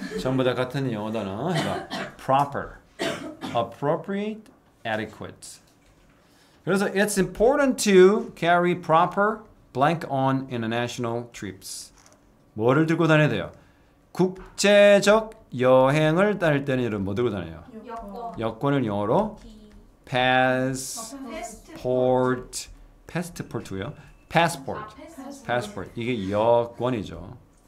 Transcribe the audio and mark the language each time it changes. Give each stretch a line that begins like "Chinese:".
Korean: 전부 다 같은 영어 단어 해봐.
English: proper, appropriate, adequate.
Korean: 그래서
English: it's important to carry proper blank on international trips.
Korean: 뭐를 들고 다녀야 돼요? 국제적 여행을 다닐 때는 이런 뭐 들고 다녀요? 여권을 영어로 passport, passport요? passport, passport. 이게 여권이죠.